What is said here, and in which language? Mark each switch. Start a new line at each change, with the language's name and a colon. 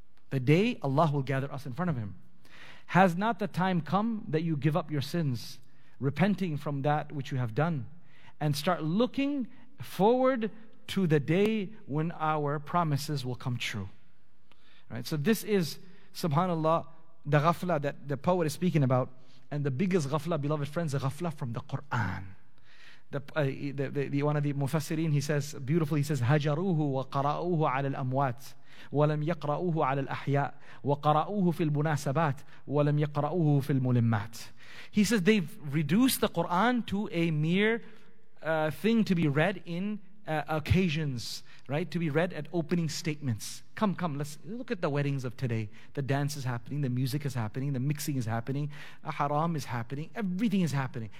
English: The day Allah will gather us in front of Him. Has not the time come that you give up your sins, repenting from that which you have done, and start looking forward to the day when our promises will come true? Right? So this is, subhanAllah, the ghafla that the poet is speaking about. And the biggest ghafla, beloved friends, the ghafla from the Quran. One of the mufassirin, he says beautifully, he says,
Arabic: هجروه وقرأوه على الأموات ولم يقرأوه على الأحياء وقرأوه في المناسبات ولم يقرأوه في الملمات.
English: He says they've reduced the Quran to a mere thing to be read in occasions, right? To be read at opening statements. Come, come, let's look at the weddings of today. The dance is happening, the music is happening, the mixing is happening, a haram is happening, everything is happening.